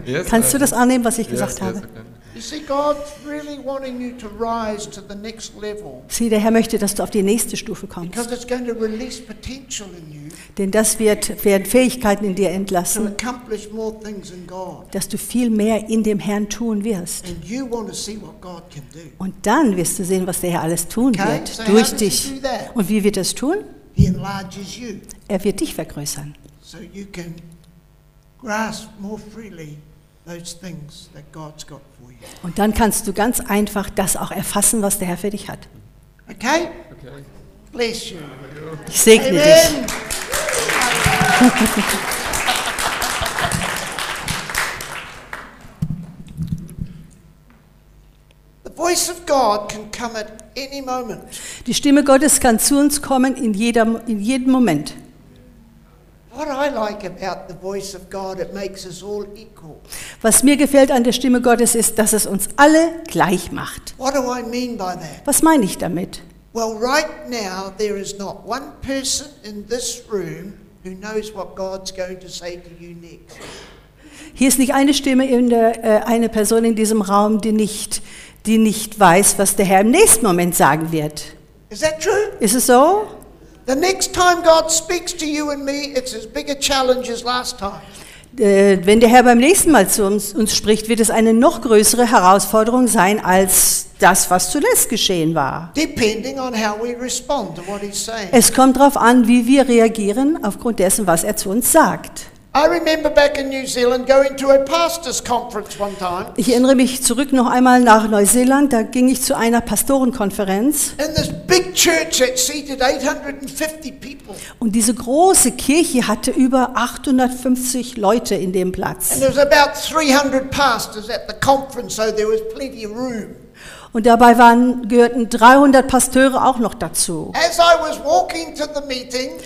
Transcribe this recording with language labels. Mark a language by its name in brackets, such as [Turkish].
[German] Yes, kannst du das annehmen, was ich gesagt habe? [English] You see, God's really wanting you to rise to the next level. [German] Sieh, der Herr möchte, dass du auf die nächste Stufe kommst. [English] Because it's going to release potential in you. [German] Denn das werden Fähigkeiten in dir entlassen. [English] To accomplish more things in God. [German] Dass du viel mehr in dem Herrn tun wirst. [English] And you want to see what God can do. [German] Und dann wirst du sehen, was der Herr alles tun wird durch dich. Und wie wird er es tun? [English] He enlarges you. [German] Er wird dich vergrößern. [English] So you can grasp more freely those things that God's got. [German] Und dann kannst du ganz einfach das auch erfassen, was der Herr für dich hat. [English] Okay? Bless you. [German] Ich segne [English] Amen. [German] Dich. [English] The voice of God can come at any moment. [German] Die Stimme Gottes kann zu uns kommen in jedem Moment. [English] What I like about the voice of God, it makes us all equal. [German] Was mir gefällt an der Stimme Gottes ist, dass es uns alle gleich macht. [English] What do I mean by that? [German] Was meine ich damit? [English] Well, right now there is not one person in this room who knows what God's going to say to you next. [German] Hier ist nicht eine Stimme in der eine Person in diesem Raum, die nicht weiß, was der Herr im nächsten Moment sagen wird. [English] Is that true? [German] Ist es so? [English] The next time God speaks to you and me, it's as big a challenge as last time. [German] Wenn der Herr beim nächsten Mal zu uns spricht, wird es eine noch größere Herausforderung sein als das, was zuletzt geschehen war. [English] Depending on how we respond to what he's saying. [German] Es kommt darauf an, wie wir reagieren aufgrund dessen, was er zu uns sagt. [English] I remember back in New Zealand going to a pastors conference one time. [German] Ich erinnere mich zurück noch einmal nach Neuseeland, da ging ich zu einer Pastorenkonferenz. [English] In this big church it seated 850 people. [German] Und diese große Kirche hatte über 850 Leute in dem Platz. [English] And there was about 300 pastors at the conference, so there was plenty of room. [German] Und dabei gehörten 300 Pastöre auch noch dazu. [English] As I was walking to the meeting,